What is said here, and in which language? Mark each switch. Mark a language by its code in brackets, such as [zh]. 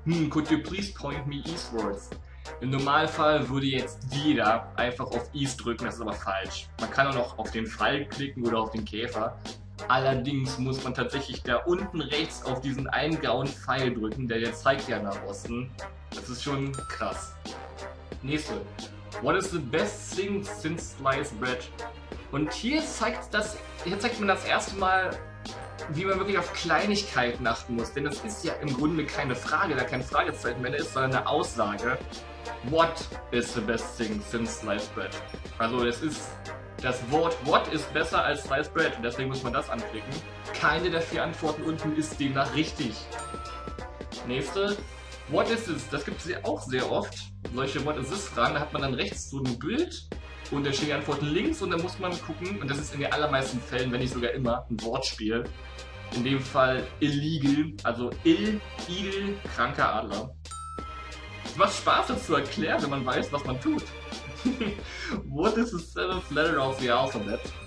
[en] Could you please point me eastwards? [de] Im Normalfall würde jetzt jeder einfach auf East drücken, das ist aber falsch. Man kann auch noch auf den Pfeil klicken oder auf den Käfer. Allerdings muss man tatsächlich da unten rechts auf diesen einen grauen Pfeil drücken, der jetzt zeigt ja nach Osten. Das ist schon krass. Nächste. [en] What is the best thing since sliced bread? [de] Und hier zeigt man das erste Mal, wie man wirklich auf Kleinigkeiten achten muss. Denn das ist ja im Grunde keine Frage, da kein Fragezeichen mehr ist, sondern eine Aussage. [en] What is the best thing since sliced bread? [de] Also es ist das Wort what ist besser als sliced bread. Und deswegen muss man das anklicken. Keine der 4 Antworten unten ist demnach richtig. Nächste. [en] What is this? [de] Das gibt es ja auch sehr oft. Solche What is this Fragen, da hat man dann rechts so ein Bild. Und dann stehen die Antworten links und dann muss man gucken, und das ist in den allermeisten Fällen, wenn nicht sogar immer, ein Wortspiel. In dem Fall illegal, also ill, kranker Adler. Es macht Spaß, das zu erklären, wenn man weiß, was man tut. [en] What is the seventh letter of the alphabet?